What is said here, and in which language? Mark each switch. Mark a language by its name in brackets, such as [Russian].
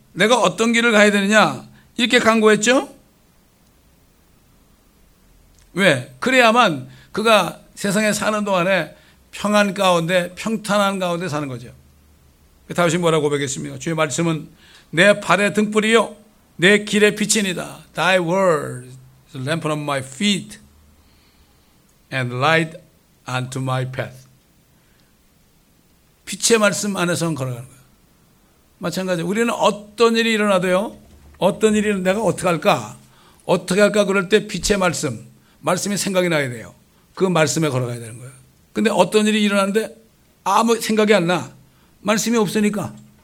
[Korean] 내가 어떤 길을 가야 되느냐. 이렇게 간구했죠. 왜? 그래야만 그가 세상에 사는 동안에 평안 가운데 평탄한 가운데 사는 거죠. 다윗이 뭐라고 고백했습니까? 주의 말씀은 내 발의 등불이요 내 길의 빛이니다. [English] Thy word is a lamp on my feet and light unto my path. [Korean] 빛의 말씀 안에서 걸어가는 거예요. 마찬가지로 우리는 어떤 일이 일어나도요. 어떤 일이 일어나도 내가 어떻게 할까? 어떻게 할까? 그럴 때 빛의 말씀. 말씀이 생각이 나야 돼요. 그 말씀에 걸어가야 되는 거예요. 그런데 어떤 일이 일어났는데 아무 생각이 안 나. 말씀이 없으니까.